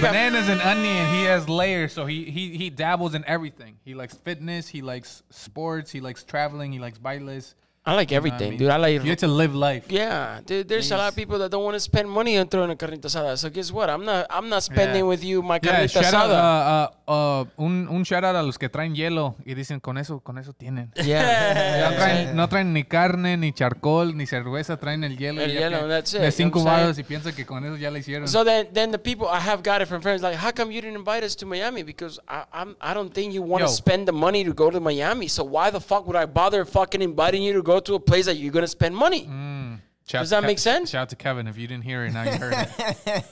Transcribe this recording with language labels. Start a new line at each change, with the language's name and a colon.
English: Banana's an onion. He has layers, so he dabbles in everything. He likes fitness. He likes sports. He likes traveling. He likes bailes. I like everything, you know what I mean? Dude. You have to live life. Yeah, dude. There's a lot of people that don't want to spend money on throwing a carnita asada. So guess what? I'm not spending with you my carnita asada.
Spanish: Un shout out a los que traen hielo y dicen con eso tienen.
English: Yeah.
Spanish: No traen ni carne ni charcoal ni cerveza. Traen el hielo. El hielo.
English: That's it.
Spanish: De cinco vados y piensa que con eso ya le hicieron.
English: So then the people I have got it from friends like, how come you didn't invite us to Miami? Because I don't think you want to spend the money to go to Miami. So why the fuck would I bother fucking inviting you to go to a place that you're gonna spend money? Does that make sense? Shout out to Kevin. If you didn't hear it, now you heard it.